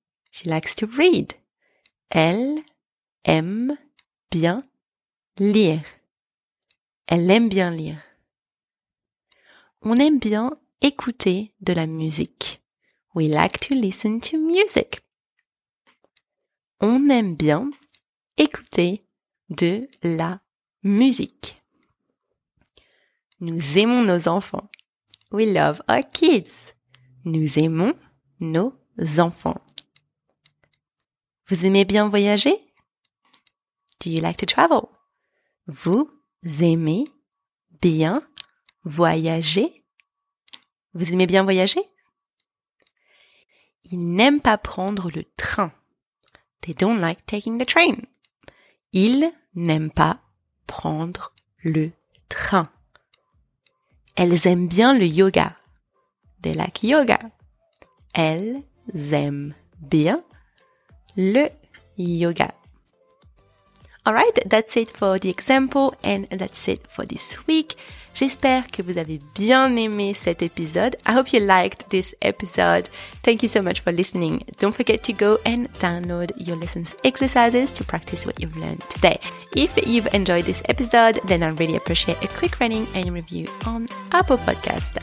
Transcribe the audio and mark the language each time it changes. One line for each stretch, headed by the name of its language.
English: She likes to read.
French: Elle aime bien lire. Elle aime bien lire. On aime bien écouter de la musique.
English: We like to listen to music.
French: On aime bien écouter de la musique. Nous aimons nos enfants.
English: We love our kids.
French: Nous aimons nos enfants. Vous aimez bien voyager?
English: Do you like to travel?
French: Vous aimez bien voyager? Vous aimez bien voyager? Ils n'aiment pas prendre le train.
English: They don't like taking the train.
French: Ils n'aiment pas prendre le train. Elles aiment bien le yoga.
English: They like yoga.
French: Elles aiment bien le yoga.
English: All right, that's it for the example and that's it for this week.
French: J'espère que vous avez bien aimé cet épisode.
English: I hope you liked this episode. Thank you so much for listening. Don't forget to go and download your lessons exercises to practice what you've learned today. If you've enjoyed this episode, then I really appreciate a quick rating and review on Apple Podcast.